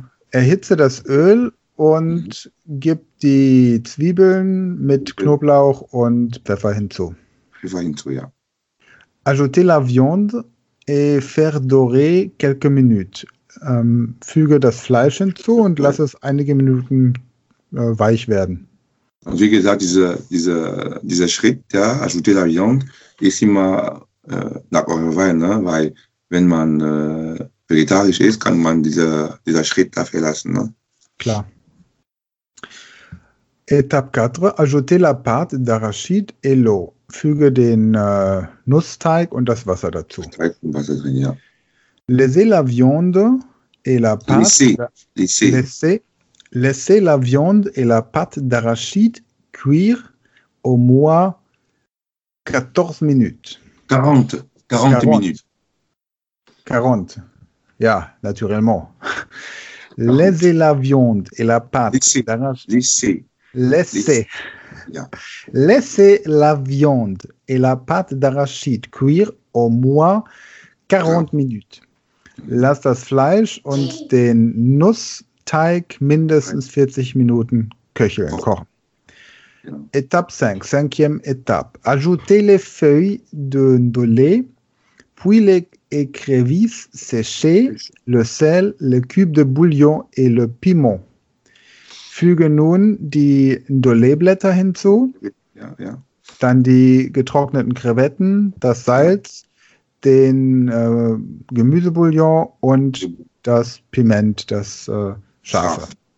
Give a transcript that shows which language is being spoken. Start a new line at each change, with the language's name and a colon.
German: Erhitze das Öl und gib die Zwiebeln mit Knoblauch und Pfeffer hinzu. Pfeffer hinzu, ja.
French: Ajouter la viande et faire dorer quelques minutes.
German: Füge das Fleisch hinzu und lass es einige Minuten weich werden. Und wie gesagt, dieser Schritt, ja,
French: ajouter la viande,
German: ist immer nach eurer Wahl, ne? Weil wenn man vegetarisch ist, kann man dieser Schritt da verlassen. Ne? Klar.
French: Etappe 4, ajouter la pâte d'arachide et l'eau.
German: Füge den Nussteig und das Wasser dazu. Teig und Wasser drin, ja.
French: Laissez la viande et la pâte. Laissez la viande et la pâte d'arachide cuire au moins 14 minutes. 40 minutes. Ja, naturellement. Laissez la viande et la pâte d'arachide. Laissez la viande et la pâte d'arachide cuire au moins 40 minutes.
German: Lass das Fleisch und den Nuss Teig mindestens 40 Minuten kochen.
French: Ja. Étape 5, cinquième étape. Ajoutez les feuilles de dolet, puis les écrevisses séchées, le sel, le cube de bouillon et le piment.
German: Füge nun die Dolet-Blätter hinzu, dann die getrockneten Krevetten, das Salz, den Gemüsebouillon und das Piment, das Scharfe.